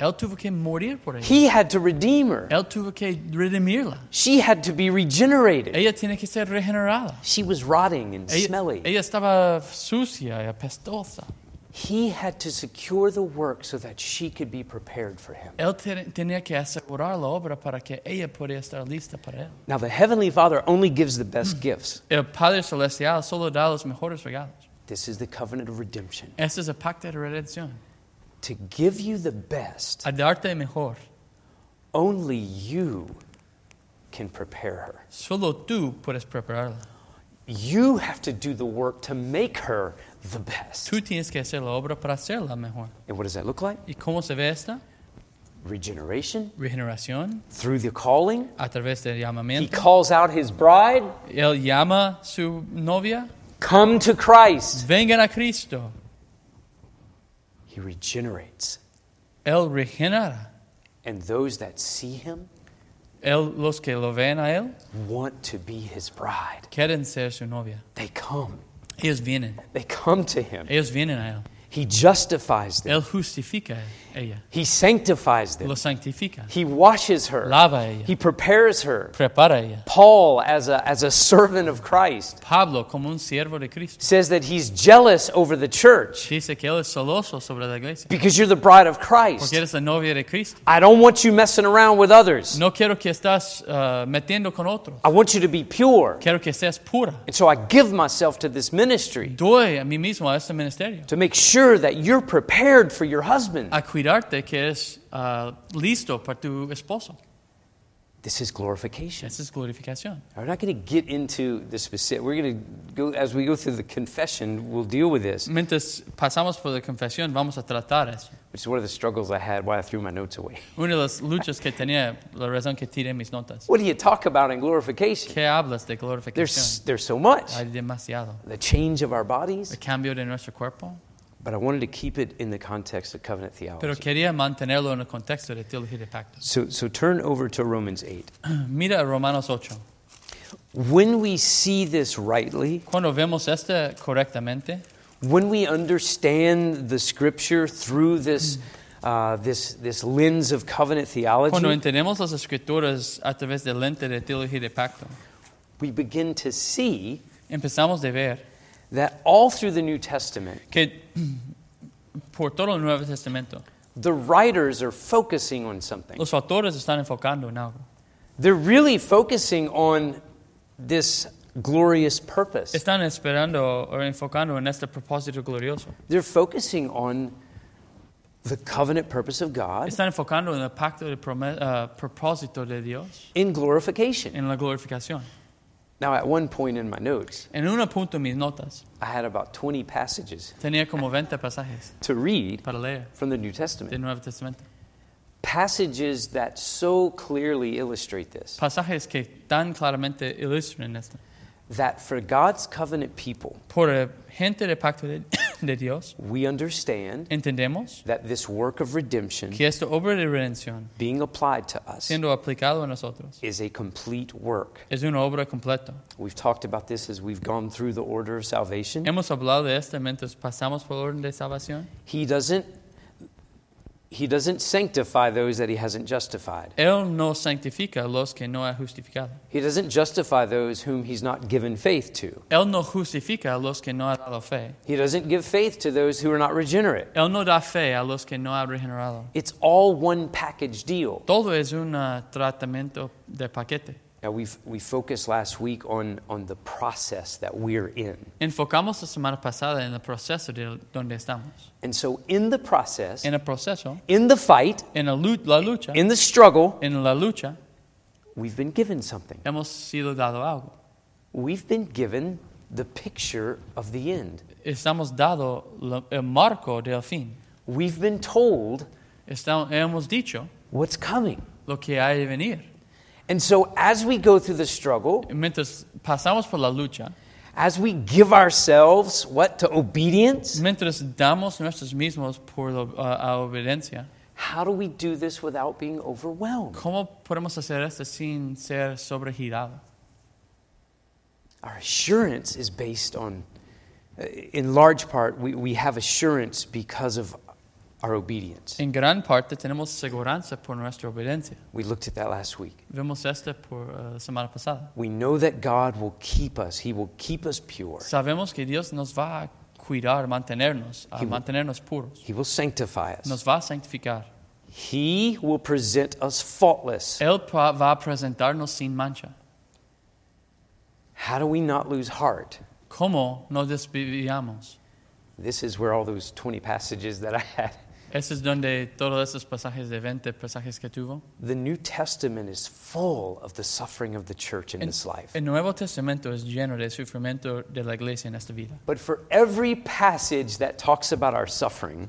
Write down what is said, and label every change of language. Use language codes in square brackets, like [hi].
[es] Él tuvo que morir por ella. [en] He had to redeem her. [es] Él tuvo que redimirla. [en] She had to be regenerated. [es] Ella tiene que ser regenerada. [en] She was rotting and smelly. [es] Ella estaba sucia y apestosa. [en] He had to secure the work so that she could be prepared for him. [es] Él tenía que asegurar la obra para que ella pudiera estar lista para él. [en] Now the Heavenly Father only gives the best gifts. [es] El Padre Celestial solo da los mejores regalos. [en] This is the covenant of redemption. [es] Este es el pacto de redención. [en] To give you the best. [es] A darte mejor. [en] Only you can prepare her. [es] Solo tú puedes prepararla. [en] You have to do the work to make her the best. [es] Tú tienes que hacer la obra para hacerla mejor. [en] And what does that look like? [es] ¿Y cómo se ve esta? [en] Regeneration. [es] Regeneración. [en] Through the calling. [es] A través del llamamiento. [en] He calls out his bride. [es] Él llama su novia. [en] Come to Christ. [es] Vengan a Cristo. [en] He regenerates. [es] Él regenera. [en] And those that see him. [es] Él, los que lo ven a él. [en] Want to be his bride. [es] Quieren ser su novia. [en] They come. [es] Ellos vienen. [en] They come to him. [es] Ellos vienen a él. [en] He justifies them. [es] Él justifica ella. [en] He sanctifies them. [es] Lo sanctifica. [en] He washes her. [es] Lava ella. [en] He prepares her. [es] Prepara ella. [en] Paul, as a servant of Christ, [es] Pablo, como un siervo de Cristo, [en] says that he's jealous over the church. [es] Dice que él es celoso sobre la iglesia. [en] Because you're the bride of Christ. [es] Porque eres la novia de Cristo. [en] I don't want you messing around with others. [es] No quiero que estás metiendo con otros. [en] I want you to be pure. [es] Quiero que seas pura. [en] And so I give myself to this ministry. [es] Doy a mí mismo a este ministerio. [en] To make sure. Sure that you're prepared for your husband. [es] A cuidarte que es listo para tu esposo. [en] This is glorification. [es] Es glorificación. [en] We're not going to get into the specific. We're going to go as we go through the confession. We'll deal with this. [es] Mientras pasamos por la confesión, vamos a tratar eso. [en] Which is one of the struggles I had while I threw my notes away. [es] Una de las luchas que tenía, la razón que tiré mis notas. [en] What do you talk about in glorification? [es] ¿Qué hablas de glorificación? [en] There's so much. [es] Hay demasiado. [en] The change of our bodies. [es] El cambio de nuestro cuerpo. [en] But I wanted to keep it in the context of covenant theology. [es] Pero quería mantenerlo en el contexto de teología de pacto. [en] So turn over to Romans 8. [es] Mira Romanos 8. [en] When we see this rightly, [es] cuando vemos esto correctamente, [en] when we understand the scripture through this this lens of covenant theology, [es] cuando entendemos las escrituras a través del lente de teología de pacto, [en] we begin to see, [es] empezamos de ver, [en] that all through the New Testament, [es] que por todo el Nuevo Testamento, [en] the writers are focusing on something. [es] Los autores están enfocando en algo. [en] They're really focusing on this glorious purpose. [es] Están esperando o enfocando en este propósito glorioso. [en] They're focusing on the covenant purpose of God. [es] Están enfocando en el pacto de propósito de Dios. [en] In glorification. [es] En la glorificación. [en] Now, at one point in my notes, [es] en un punto en mis notas, [en] I had about 20 passages. [es] Tenía como 20 pasajes [en] to read [es] para leer [en] from the New Testament. [es] Del Nuevo Testamento. [en] Passages that so clearly illustrate this. [es] Pasajes que tan claramente ilustran esto. [en] That for God's covenant people, [es] por gente de pacto de Dios, [en] we understand, [es] entendemos, [en] that this work of redemption, [es] que esta obra de redención, [en] being applied to us, [es] siendo aplicado a nosotros, [en] is a complete work. [es] Es una obra completa. [en] We've talked about this as we've gone through the order of salvation. [es] Hemos hablado de esto mientras pasamos por el orden de salvación. [en] He doesn't sanctify those that he hasn't justified. [es] Él no sanctifica los que no ha justificado. [en] He doesn't justify those whom he's not given faith to. [es] Él no justifica los que no ha dado fe. [en] He doesn't give faith to those who are not regenerate. [es] Él no da fe a los que no ha regenerado. [en] It's all one package deal. [es] Todo es un tratamiento de paquete. [en] Now we focused last week on the process that we're in. [es] Enfocamos la semana pasada en el proceso de donde estamos. [en] And so in the process, [es] en el proceso, [en] in the fight, [es] en la lucha, [en] in the struggle, [es] en la lucha, [en] we've been given something. [es] Hemos sido dado algo. [en] We've been given the picture of the end. [es] Estamos dado el marco del fin. [en] We've been told, [es] hemos dicho, [en] what's coming, [es] lo que hay de venir. [en] And so as we go through the struggle, [es] mientras pasamos por la lucha, [en] as we give ourselves, what, to obedience, [es] mientras damos nuestros mismos por la obediencia, [en] how do we do this without being overwhelmed? [es] ¿Cómo podemos hacer esto sin ser sobregirado? [en] Our assurance is based on, in large part, we have assurance because of our obedience. [es] En gran parte tenemos seguridad por nuestra obediencia. [en] We looked at that last week. [es] Vimos esto por la semana pasada. [en] We know that God will keep us. He will keep us pure. [es] Sabemos que Dios nos va a cuidar, mantenernos, mantenernos puros. [en] He will sanctify us. [es] Nos va a santificar. [en] He will present us faultless. [es] Él va a presentarnos sin mancha. [en] How do we not lose heart? [es] ¿Cómo no desviamos? [en] This is where all those 20 passages that I had. [es] Este es donde todos esos pasajes de 20 pasajes que tuvo. [en] The New Testament is full of the suffering of the church in this life. [es] El Nuevo Testamento es lleno de sufrimiento de la iglesia en esta vida. [en] But for every passage that talks about our suffering.